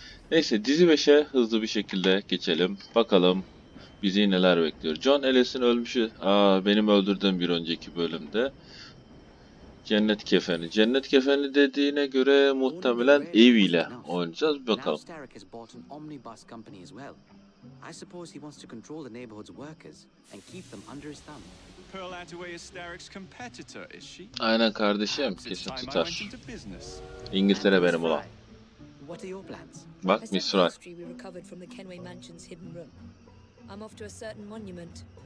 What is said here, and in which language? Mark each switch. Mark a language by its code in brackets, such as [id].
[tr] Neyse, dizi 5'e hızlı bir şekilde geçelim. Bakalım bizi neler bekliyor. John Ellis'in ölmüşü. Aa, benim öldürdüğüm bir önceki bölümde. Cennet kefeni. Cennet kefeni dediğine göre muhtemelen ev ile oynayacağız. Bakalım. [en] Starrick has bought an omnibus company as well. I suppose he wants to control the neighborhood's workers and keep them under his thumb. Pearl Attaway is Starrick's competitor, is she? [tr] Aynen kardeşim, kesin tutar. İngiltere benim ulan. [en] What are your plans? [tr] Bak, Miss Fry. [en] We recovered from the Kenway Mansion's hidden room. I'm off to a certain monument.